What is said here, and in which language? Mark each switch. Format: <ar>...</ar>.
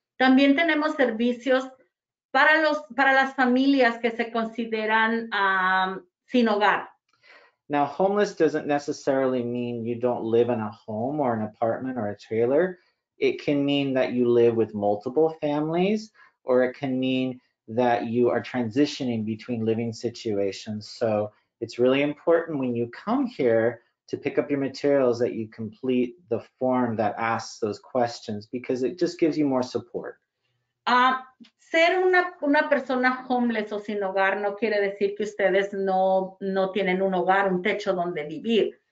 <es>También tenemos servicios para las familias que se consideran sin hogar.</es> <en>Now, homeless doesn't necessarily mean you don't live in a home or an apartment or a trailer. It can mean that you live with multiple families, or it can mean that you are transitioning between living situations. So it's really important when you come here to pick up your materials that you complete the form that asks those questions, because it just gives you more support.</en> <es>Ser una persona homeless o sin hogar no quiere decir que ustedes no tienen un hogar, un techo donde vivir.</es>